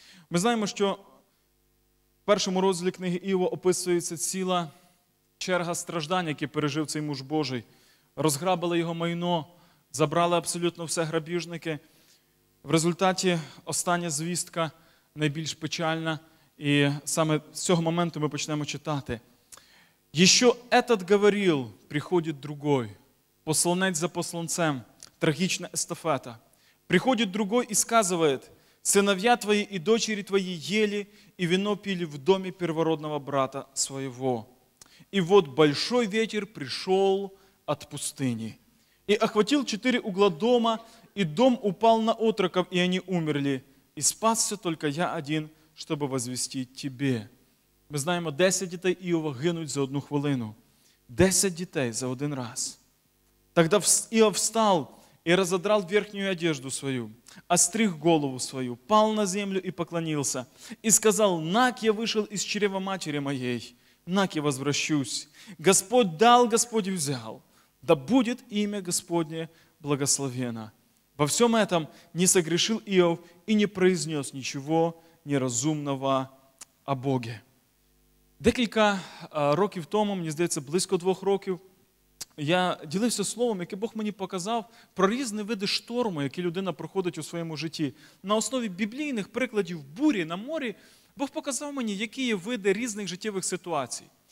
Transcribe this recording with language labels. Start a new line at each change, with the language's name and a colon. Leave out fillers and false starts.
Ukrainian: Ми знаємо, що в першому розділі книги Іова описується ціла черга страждань, які пережив цей муж Божий. Розграбили його майно, забрали абсолютно все грабіжники. В результаті остання звістка найбільш печальна. І саме з цього моменту ми почнемо читати.
Russian: «Еще этот говорил, приходит другой, посланец за посланцем, трагичная эстафета. Приходит другой и сказывает, сыновья твои и дочери твои ели и вино пили в доме первородного брата своего. И вот большой ветер пришел от пустыни и охватил четыре угла дома, и дом упал на отроков, и они умерли. И спасся только я один, чтобы возвестить тебе».
Ukrainian: Ми знаємо, 10 дітей Іова гинуть за одну хвилину. 10 дітей за один раз.
Russian: Тогда Іов встал и разодрал верхнюю одежду свою, остриг голову свою, пал на землю и поклонился, и сказал, «Нак я вышел из чрева матери моей, нак я возвращусь. Господь дал, Господь взял, да будет имя Господне благословено». Во всем этом не согрешил Иов и не произнес ничего неразумного о Боге.
Ukrainian: Декілька років тому, мені здається, близько 2 років, я ділився словом, яке Бог мені показав, про різні види шторму, які людина проходить у своєму житті. На основі біблійних прикладів бурі на морі Бог показав мені, які є види різних життєвих ситуацій.